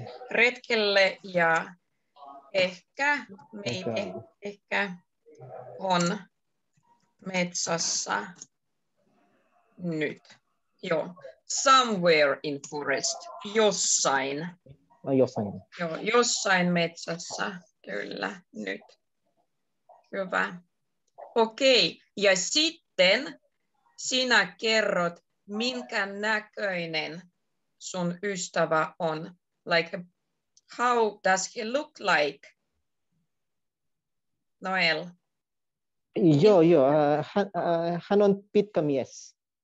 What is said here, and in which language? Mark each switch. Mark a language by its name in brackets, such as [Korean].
[Finnish] Retkelle ja ehkä, maybe, ehkä on metsässä nyt, joo, [English] somewhere in forest, [Finnish] jossain. No, jossain. Joo, jossain metsässä, kyllä, nyt, hyvä. Okei, ja sitten sinä kerrot, minkä näköinen sun ystävä on. [English] Like, how does he look like, Noel? [Finnish] Joo, joo, hän on pitkä mies.